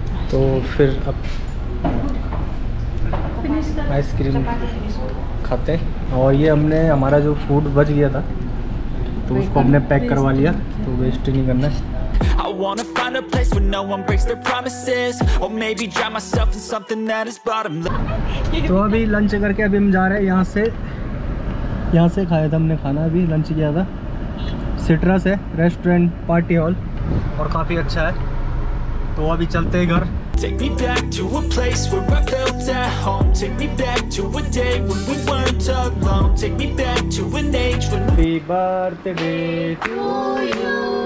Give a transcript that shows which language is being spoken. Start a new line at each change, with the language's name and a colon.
Hindi: तो फिर अब आइसक्रीम खाते हैं। और ये हमने हमारा जो फूड बच गया था तो उसको हमने पैक करवा लिया, तो वेस्ट नहीं करना है।
English: Wanna find a place where no one breaks their promises, or maybe drown myself in something that is bottomless.
Hindi: तो अभी लंच करके अभी हम जा रहे हैं यहाँ से खाया था हमने खाना, अभी लंच किया था। सिट्रस है रेस्टोरेंट पार्टी हॉल और काफी अच्छा है। तो अभी चलते हैं घर।
English: Take me back to a place where I felt at home. Take me back to a day when we weren't alone. Take me back to an age when we birthday to you.